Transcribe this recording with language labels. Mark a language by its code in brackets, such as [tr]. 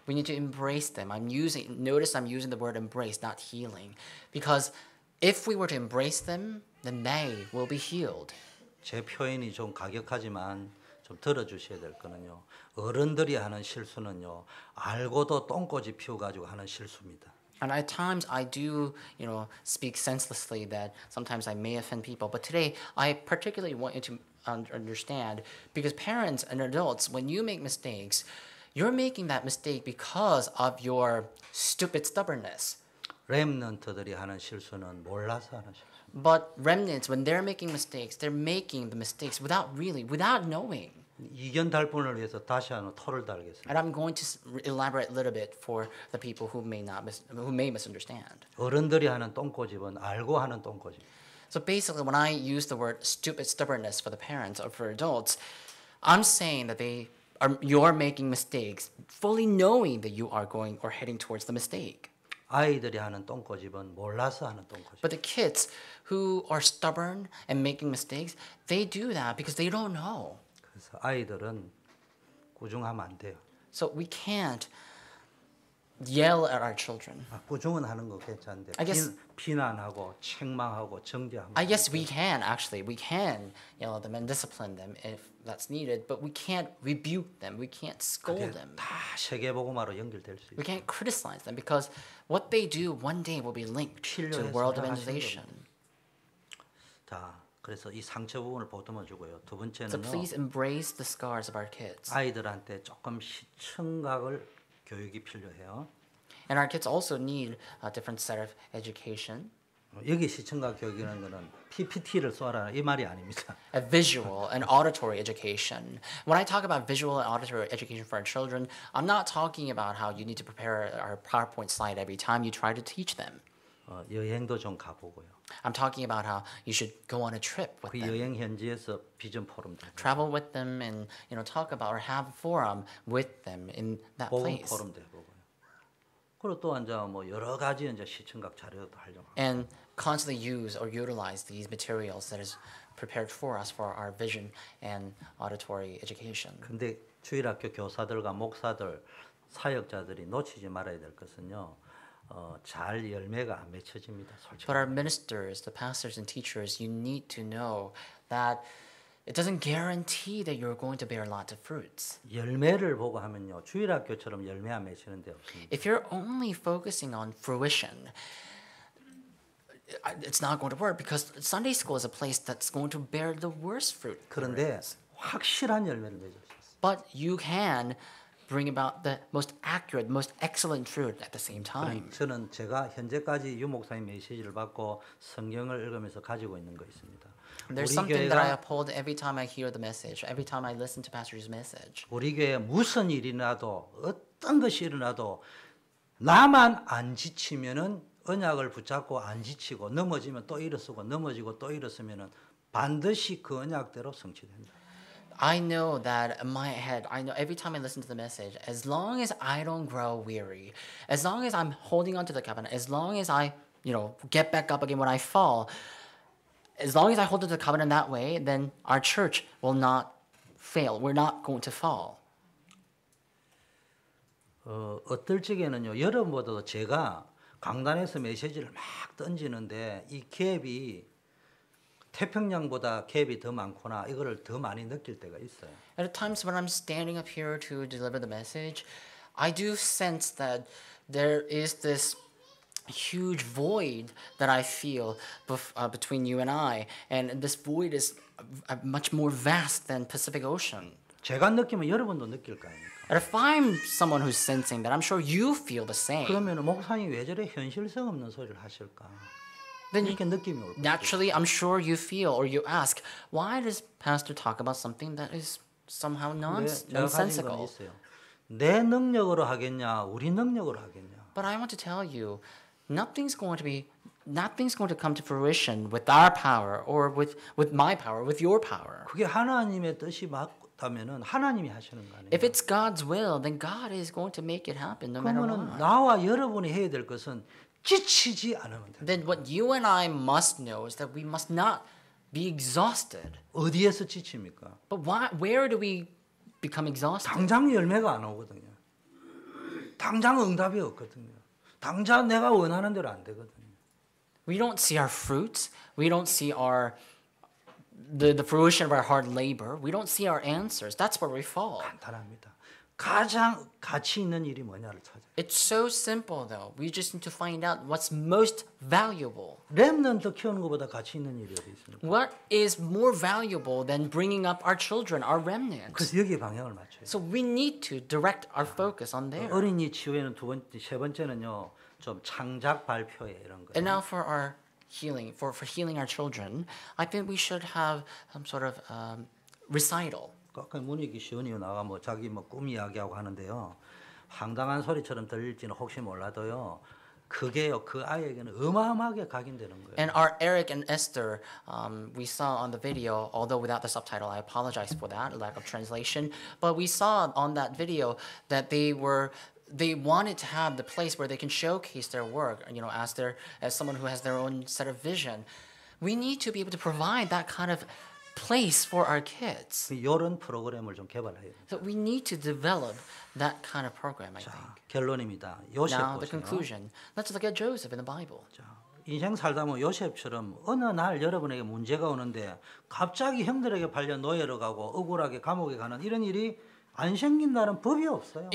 [en] We need to embrace them. Notice I'm using the word embrace, not healing. Because if we were to embrace them, then they will be healed. [ko] 제 표현이 좀 가격하지만 좀 들어주셔야 될 거는요. 어른들이 하는 실수는요. 알고도 똥꼬집 피워가지고 하는 실수입니다. [en] And at times I do, you know, speak senselessly that sometimes I may offend people. But today I particularly want you to understand because parents and adults, when you make mistakes, you're making that mistake because of your stupid stubbornness. [ko] Remnant들이 하는 실수는 몰라서 하는 실수. [en] But remnants, when they're making mistakes, they're making the mistakes without knowing. [ko] 이견 달 분을 위해서 다시 한번 털을 달겠습니다. [en] And I'm going to elaborate a little bit for the people who may misunderstand. [ko] 어른들이 하는 똥꼬집은 알고 하는 똥꼬집. [en] So basically, when I use the word stupid stubbornness for the parents or for adults, I'm saying that you're making mistakes fully knowing that you are going or heading towards the mistake. [ko] 아이들이 하는 똥꼬집은 몰라서 하는 똥꼬집. [en] But the kids who are stubborn and making mistakes, they do that because they don't know. [ko] 그래서 아이들은 꾸중하면 안 돼요. [en] So we can't yell at our children. [ko] 아, 꾸중은 하는 거 괜찮은데 비난하고 책망하고 정죄하면 [en] I guess we can actually. We can yell at them and discipline them if that's needed. But we can't rebuke them. We can't scold them. [ko] 다 세계복음화로 연결될 수 있어요. [en] We can't criticize them because what they do one day will be linked to the world evangelization. [ko] 자, 그래서 이 상처 부분을 보듬어 주고요. 두 번째는 [en] So please embrace the scars of our kids. [ko] 아이들한테 조금 시청각을 교육이 필요해요. [en] And our kids also need a different set of education. [ko] 여기 시청각 교육이라는 거는 PPT를 쏘아라 이 말이 아닙니다. [en] A visual and auditory education. When I talk about visual and auditory education for our children, I'm not talking about how you need to prepare our PowerPoint slide every time you try to teach them. [ko] 여행도 좀 가보고요. [en] I'm talking about how you should go on a trip with them. [ko] 그 여행 현지에서 비전 포럼. [en] Travel with them and you know talk about or have a forum with them in that place. [ko] 복음 포럼도 해보고요. 그리고 또 이제 뭐 여러 가지 이제 시청각 자료도 활용하고. [en] And constantly use or utilize these materials that is prepared for us for our vision and auditory education. [ko] 근데 주일학교 교사들과 목사들, 사역자들이 놓치지 말아야 될 것은요. 잘 열매가 안 맺혀집니다. 솔직히. [en] But our ministers, the pastors and teachers, you need to know that it doesn't guarantee that you're going to bear lots of fruits. [ko] 열매를 보고 하면요, 주일학교처럼 열매 안 맺히는 데 없습니다. [en] If you're only focusing on fruition, it's not going to work because Sunday school is a place that's going to bear the worst fruit. [ko] 그런데 확실한 열매를 맺을 수 있어요. [en] But you can. Bring about the most accurate, most excellent fruit at the same time. [ko] 저는 제가 현재까지 유 목사님 메시지를 받고 성경을 읽으면서 가지고 있는 거 있습니다. [en] There's something that I uphold every time I hear the message, every time I listen to Pastor's message. [ko] 우리 교회 무슨 일이라도 어떤 것이 일어나도 나만 안 지치면은 언약을 붙잡고 안 지치고 넘어지면 또 일어서고 넘어지고 또 일어서면은 반드시 그 언약대로 성취된다. [en] I know that in my head, I know every time I listen to the message, as long as I don't grow weary, as long as I'm holding on to the covenant, as long as I, you know, get back up again when I fall, as long as I hold on to the covenant that way, then our church will not fail. We're not going to fall. [ko] 어떨 적에는요, 여러분보다도 제가 강단에서 메시지를 막 던지는데 이 갭이 태평양보다 갭이 더 많구나 이거를 더 많이 느낄 때가 있어요. [en] At times when I'm standing up here to deliver the message, I do sense that there is this huge void that I feel between you and I, and this void is much more vast than Pacific Ocean. [ko] 제가 느끼면 여러분도 느낄 거 아닙니까? [en] And if I'm someone who's sensing that, I'm sure you feel the same. [ko] 그러면 목사님이 왜 저래 현실성 없는 소리를 하실까? [en] Then naturally, I'm sure you feel or you ask, why does Pastor talk about something that is somehow nonsensical? [ko] 내 능력으로 하겠냐, 우리 능력으로 하겠냐? [en] But I want to tell you, nothing's going to come to fruition with our power or with my power, with your power. [ko] 그게 하나님의 뜻이 맞다면은 하나님이 하시는 거 아니에요? [en] If it's God's will, then God is going to make it happen no matter what. [ko] 그러면 나와 여러분이 해야 될 것은 지치지 않으면 돼. [en] Then what you and I must know is that we must not be exhausted. [ko] 어디에서 지칩니까? [en] But where do we become exhausted? [ko] 당장 열매가 안 오거든요. 당장 응답이 없거든요. 당장 내가 원하는 대로 안 되거든요. [en] We don't see our fruits. We don't see the fruition of our hard labor. We don't see our answers. That's where we fall. [ko] 간단합니다. 가장 가치 있는 일이 뭐냐를 찾아. [en] It's so simple though. We just need to find out what's most valuable. [ko] 렘넌트 키우는 것보다 가치 있는 일이 어디 있습니까? [en] What is more valuable than bringing up our children, our remnants? [ko] 그래서 여기 방향을 맞춰요. [en] So we need to direct our focus on there. [ko] 어린이 치유에는 두 번째, 세 번째는요. 좀 창작 발표에 이런 거. [en] And now for our healing, for healing our children, I think we should have some sort of recital. [ko] 가끔 문익이 시원히 나가 뭐 자기 뭐 꿈 이야기하고 하는데요. 황당한 소리처럼 들릴지는 혹시 몰라도요. 그게요. 그 아이에게는 어마어마하게 각인되는 거예요. [en] And our Eric and Esther, we saw on the video, although without the subtitle, I apologize for that lack of translation. But we saw on that video that they wanted to have the place where they can showcase their work. You know, as someone who has their own set of vision, we need to be able to provide that kind of place for our kids. [ko] 이런 프로그램을 좀 개발해요. [en] So we need to develop that kind of program, I think. [ko] 결론입니다. 요셉 보세요. [en] Now the conclusion. Let's look at Joseph in the Bible. [ko] 인생 살다 보면 요셉처럼 어느 날 여러분에게 문제가 오는데 갑자기 형들에게 팔려 노예로 가고 억울하게 감옥에 가는 이런 일이 안 생긴다는 법이 없어요.